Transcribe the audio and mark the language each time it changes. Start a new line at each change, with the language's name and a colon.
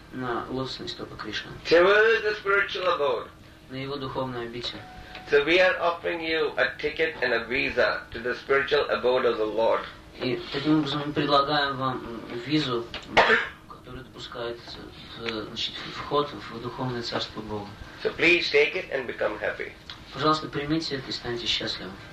Russian: На лотосные стопы Кришны.
English: Towards the spiritual abode.
Russian: На его духовное обитель.
English: So we are offering you a ticket and a visa to the spiritual abode of the Lord.
Russian: И таким образом мы предлагаем вам визу, которая допускает, значит, вход в духовное царство Бога.
English: So please take it and become happy.
Russian: Пожалуйста, примите это и станьте счастливым.